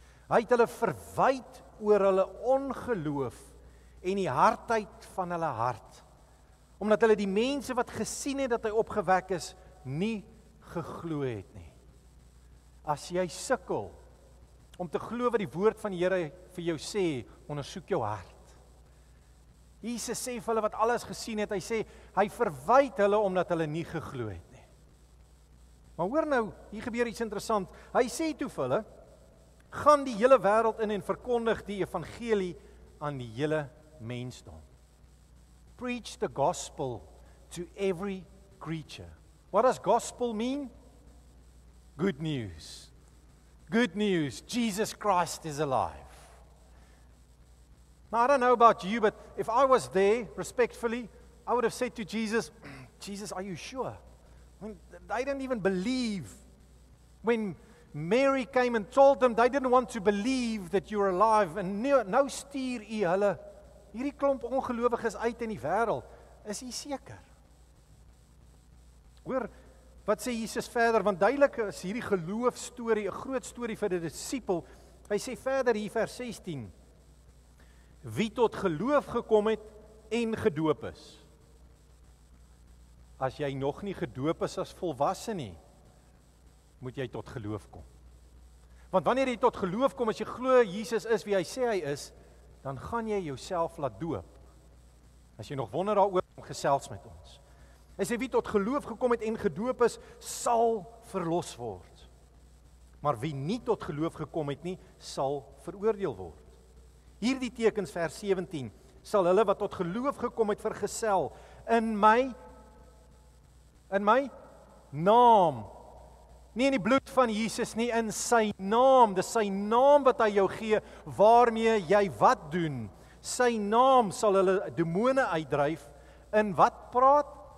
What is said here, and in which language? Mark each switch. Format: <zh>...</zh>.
<af>Hy het hulle verwyd oor hulle ongeloof en die hardheid van hulle hart, omdat hulle die mense wat gesien het dat hy opgewek is, nie geglo het nie. As jy sukkel om te glo wat die woord van die Here vir jou sê, ondersoek jou hart. Jesus sê vir hulle wat alles gesien het, hy sê, hy verwyd hulle omdat hulle nie geglo het nie. Maar hoor nou, hier gebeur iets interessant. Hy sê toe vir hulle, gaan die hele wêreld in en verkondig die evangelie aan die hele mensdom.</af> <en>Preach the gospel to every creature. What does gospel mean? Good news. Good news, Jesus Christ is alive. Now, I don't know about you, but if I was there, respectfully, I would have said to Jesus, Jesus, are you sure? I mean, they didn't even believe. When Mary came and told them, they didn't want to believe that you're alive. And</en> <af>nou stuur u hulle hierdie klomp ongelowiges uit in die wêreld. Is u seker? Hoor, wat sê Jesus verder? Want duidelik is hierdie geloofstorie, 'n groot storie vir die dissipel. Hy sê verder hier vers 16, wie tot geloof gekom het en gedoop is. As jy nog nie gedoop is as volwasse nie, moet jy tot geloof kom. Want wanneer jy tot geloof kom, as jy glo Jesus is wie hy sê hy is, dan gaan jy jouself laat doop. As jy nog wonder daaroor, gesels met ons. Hy sê, wie tot geloof gekom het en gedoop is, sal verlos word. Maar wie nie tot geloof gekom het nie, sal veroordeel word. Hierdie tekens vers 17, sal hulle wat tot geloof gekom het vergesel, in my naam, nie in die bloed van Jesus nie, in sy naam, dis sy naam wat hy jou gee, waarmee jy wat doen, sy naam sal hulle demone uitdryf, in wat praat?</af>